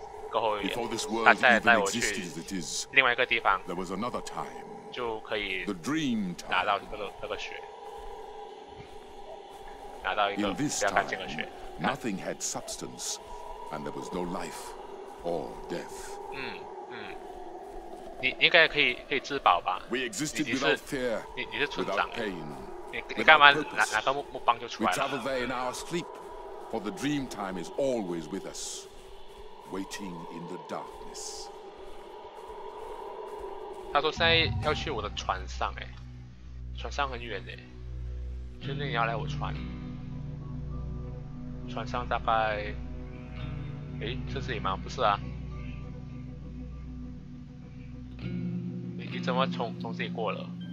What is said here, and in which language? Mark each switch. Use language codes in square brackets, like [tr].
[zh] 过后他再带我去另外一个地方就可以拿到那个血，拿到一个比较干净的血。 [en] Nothing had substance and there was no life or death。 [zh] 你应该可以自保吧，你是村长，你干嘛拿个木棒就出来了。 [en] We travel there in our sleep, for the dream time is always with usWaiting in the darkness。 [zh] 他说现在要去我的船上，哎，船上很远哎，确定你要来我船？船上大概，哎，是这里吗？不是啊，你怎么从这里过了？